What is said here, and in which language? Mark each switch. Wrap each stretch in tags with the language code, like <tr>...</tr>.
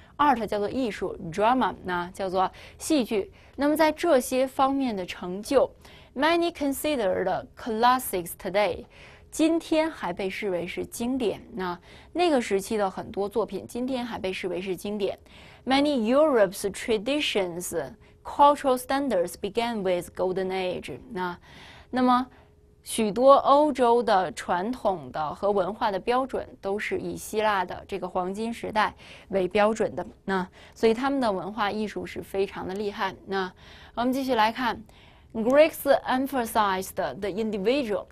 <zh>art 叫做艺术，drama 呢叫做戏剧。那么在这些方面的成就，</zh> <en>many considered classics today，</en> <zh>今天还被视为是经典。那个时期的很多作品，今天还被视为是经典。</zh> <en>Many Europe's traditions, cultural standards began with golden age。</en> <zh>那么，许多欧洲的传统的和文化的标准都是以希腊的这个黄金时代为标准的，那所以他们的文化艺术是非常的厉害。那我们继续来看，</zh> <en>Greeks emphasized the individual。</en>